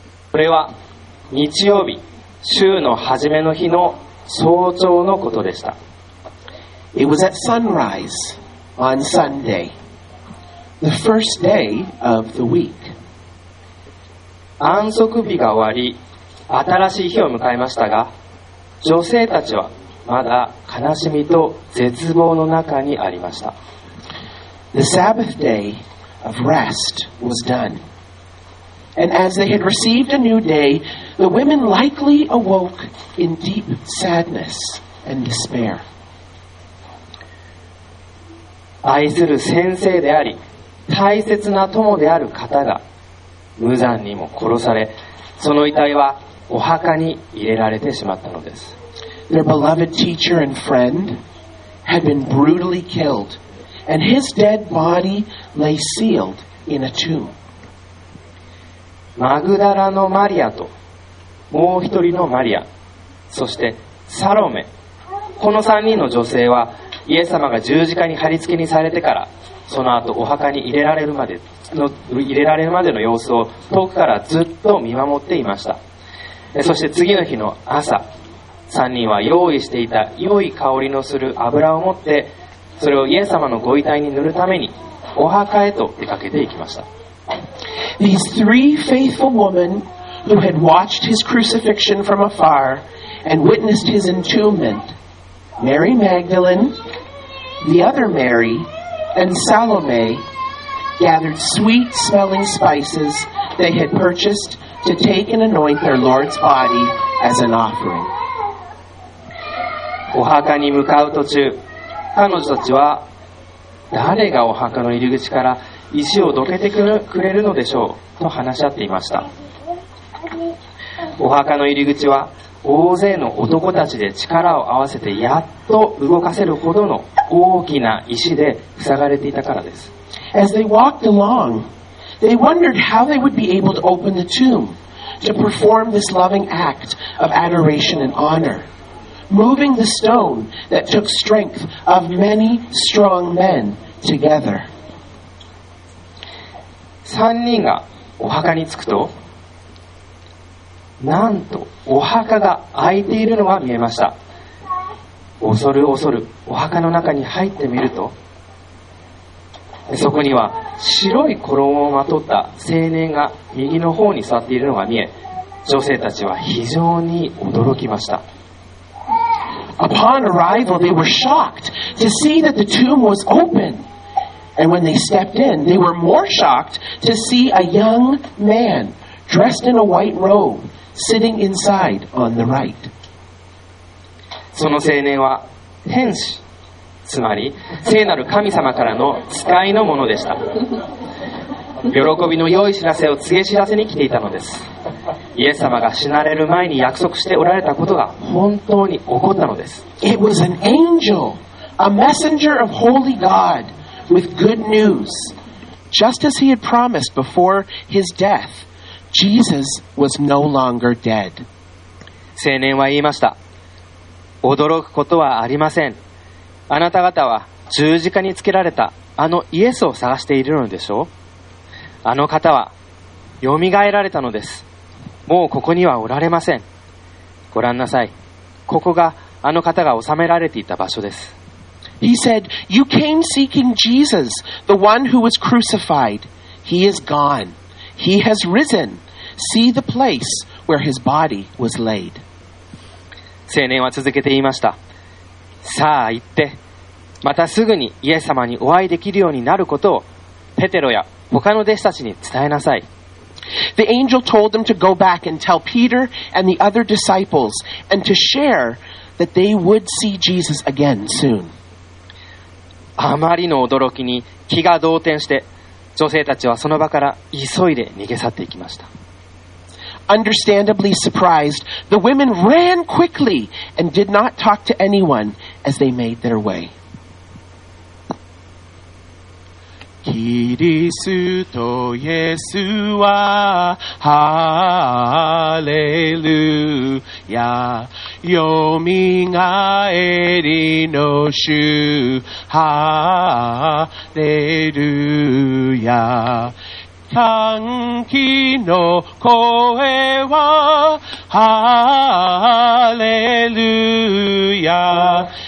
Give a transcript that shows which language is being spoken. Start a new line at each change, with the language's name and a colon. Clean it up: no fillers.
Japanese: これは日曜日、週の初めの日の早朝のことでした。
English: It was at sunrise on Sunday, the first day of the week.
Japanese: 安息日が終わり、新しい日を迎えましたが、女性たちはまだ悲しみと絶望の中にありました。
English: The Sabbath day of rest was done. And as they had received a new day, the women likely awoke in deep sadness and despair.
Japanese: 愛する先生であり、大切な友である方が無残にも殺され、その遺体はお墓に入れられてしまったのです。
English: Their beloved teacher and friend had been brutally killed, and his dead body lay sealed in a tomb.
Japanese: マグダラのマリアと、もう一人のマリア、そしてサロメ。この三人の女性は、イエス様が十字架に貼り付けにされてから、その後お墓に入れられるまでの様子を遠くからずっと見守っていました。そして次の日の朝、三人は用意していた良い香りのする油を持って、それをイエス様のご遺体に塗るために、お墓へと出かけていきました。
English: These three faithful women who had watched his crucifixion from afar and witnessed his entombment, Mary Magdalene, the other Mary, and Salome, gathered sweet-smelling spices they had purchased to take and anoint their Lord's body as an offering.
Japanese: お墓に向かう途中、彼女たちは誰がお墓の入り口から石をどけてくれるのでしょうと話し合っていました。お墓の入り口は大勢の男たちで力を合わせてやっと動かせるほどの大きな石で塞がれていたからです。
English: As they walked along, they wondered how they would be able to open the tomb to perform this loving act of adoration and honor, moving the stone that took strength of many strong men together.
Japanese: 三人がお墓に着くと、なんとお墓が開いているのが見えました。恐る恐るお墓の中に入ってみると、そこには白い衣をまとった青年が右の方に座っているのが見え、女性たちは非常に驚きました。
English: Upon arrival, they were shocked to see that the tomb was openAnd when they stepped in, they were more shocked to see a young man dressed in a white robe sitting inside on the right.
Japanese: その青年は天使、つまり聖なる神様からの使いのものでした。喜びの良い知らせを告げ知らせに来ていたのです。イエス様が死なれる前に約束しておられたことが本当に起こったのです。
English: It was an angel, a messenger of holy God. With good news, just as he had promised before his death, Jesus was no longer dead.
Japanese: 青年は言いました。驚くことはありません。あなた方は十字架につけられたあのイエスを探しているのでしょう。あの方はよみがえられたのです。もうここにはおられません。ご覧なさい。ここがあの方が納められていた場所です。
English: He said, You came seeking Jesus, the one who was crucified. He is gone. He has risen. See the place where his body was laid.
Japanese: 青年は続けて言いました。さあ行って、またすぐにイエス様にお会いできるようになることをペテロや他の弟子たちに伝えなさい。
English: The angel told them to go back and tell Peter and the other disciples and to share that they would see Jesus again soon.
Japanese: あまりの驚きに気が動転して、女性たちはその場から急いで逃げ去っていきました。
English: Understandably surprised, the women ran quickly and did not talk to anyone as they made their way.
Japanese: キリストイエスはハレルヤよみがえりの主ハレルヤ歓喜の声はハレルヤ